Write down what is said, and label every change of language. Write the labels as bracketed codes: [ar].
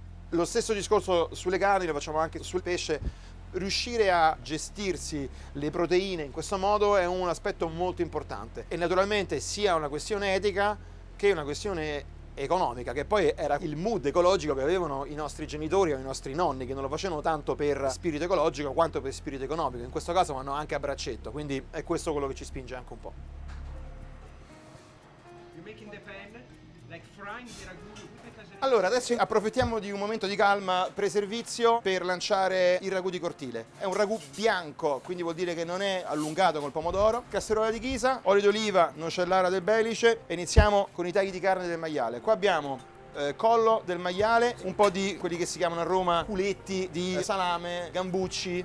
[it] Lo stesso discorso sulle carni lo facciamo anche sul pesce. Riuscire a gestirsi le proteine in questo modo è un aspetto molto importante e naturalmente sia una questione etica che una questione economica, che poi era il mood ecologico che avevano i nostri genitori o i nostri nonni, che non lo facevano tanto per spirito ecologico quanto per spirito economico. In questo caso vanno anche a braccetto, quindi è questo quello che ci spinge anche un po'. [en] You're making the pan like frying the ragù. [it] Allora, adesso approfittiamo di un momento di calma pre-servizio per lanciare il ragù di cortile. È un ragù bianco, quindi vuol dire che non è allungato col pomodoro. Casseruola di ghisa, olio d'oliva, noce all'ara del belice. Iniziamo con i tagli di carne del maiale. Qua abbiamo collo del maiale, un po' di quelli che si chiamano a Roma culetti di salame, gambucci.